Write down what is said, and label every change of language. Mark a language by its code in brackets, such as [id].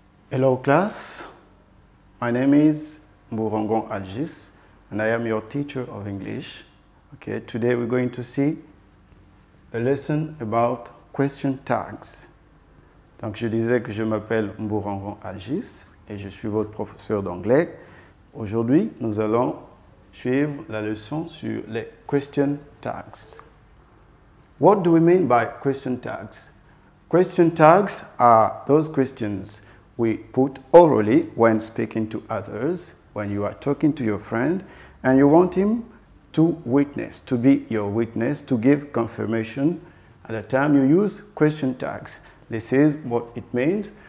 [en] Hello class, my name is Mourangon Algis and I am your teacher of English. Okay, today we're going to see a lesson about question tags. [fr] Donc je disais que je m'appelle Mourangon Algis et je suis votre professeur d'anglais. Aujourd'hui, nous allons suivre la leçon sur les question tags. [en] What do we mean by question tags? Question tags are those questions we put orally when speaking to others, when you are talking to your friend, and you want him to witness, to be your witness, to give confirmation. At the time, you use question tags. This is what it means.